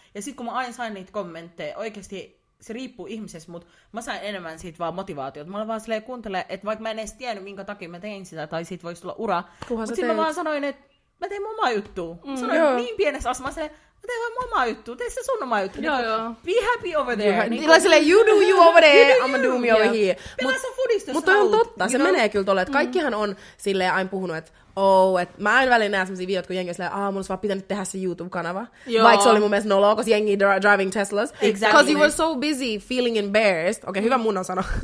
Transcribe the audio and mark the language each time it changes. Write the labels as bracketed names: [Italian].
[Finnish] Ja sit kun mä aina sain niitä kommentteja, oikeesti se riippuu ihmisestä, mut mä sain enemmän siitä vaan motivaatiota. Mä olin vaan silleen kuuntelemaan, että vaikka mä en edes tiennyt minkä takia mä tein sitä, tai siitä voisi tulla ura. Mut sit mä vaan sanoin, että mä tein omaa juttua. Sanoin niin pienessä asemassa, mä tein vaan omaa juttua, tein se sun omaa juttua. Joo, joo. [English] Be happy over there. You do you over there, I'm gonna do me over here. [Finnish] Pelaa sä fudista, mutta toi on totta, se menee kyllä tolleen, että kaikkihan on silleen aina puhunut, että oh, et mä aina välillä näen sellaisia videoita, kun jengi on silleen, aah, mun olisi vaan pitänyt tehdä se YouTube-kanava. Joo. Vaikka se oli mun mielestä noloa, koska jengi [English] driving Teslas. Exactly. Because you were so busy feeling embarrassed. [Finnish] Okei, hyvä mun on sanoa.